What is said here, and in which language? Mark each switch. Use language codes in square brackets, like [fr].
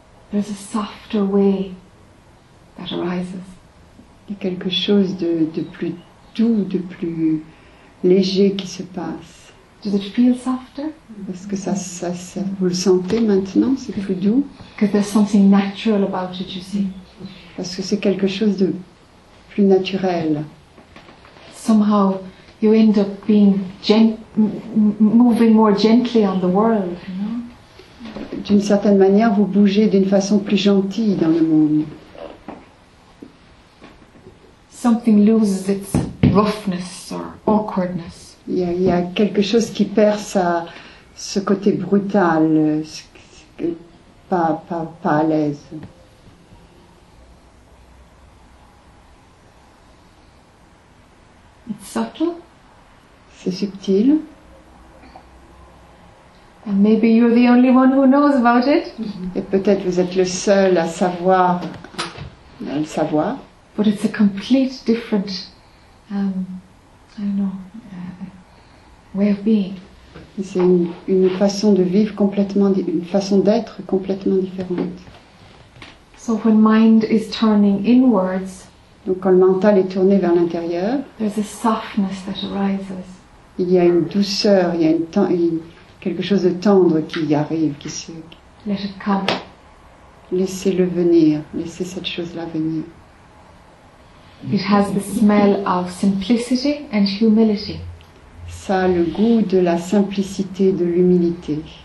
[en] There's a softer way that arises. [fr] Il y a quelque chose de plus doux, de plus léger qui se passe. [en] Does it feel softer? [fr] Est-ce que ça vous le sentez maintenant? C'est plus doux? [en] Because there's something natural about it, you see. [fr] Parce que c'est quelque chose de plus naturel. [en] Somehow you end up being moving more gently on the world, you know? [fr] D'une certaine manière, vous bougez d'une façon plus gentille dans le monde. [en] Something loses its roughness or awkwardness. [fr] Il y a quelque chose qui perd ce côté brutal, pas à l'aise. [en] It's subtle. [fr] C'est subtil. [en] And maybe you're the only one who knows about it. [fr] Et peut-être vous êtes le seul à le savoir. [en] But it's a complete different, way of being. [fr] C'est une façon de vivre complètement, une façon d'être complètement différente. [en] So when mind is turning inwards, [fr] Donc quand le mental est tourné vers l'intérieur, [en] there's a softness that arises. [fr] Il y a une douceur, il y a quelque chose de tendre qui arrive, qui se... [en] Let it come. [fr] Laissez-le venir, laissez cette chose-là venir. [en] It has the smell of simplicity and humility. [fr] Ça a le goût de la simplicité, de l'humilité.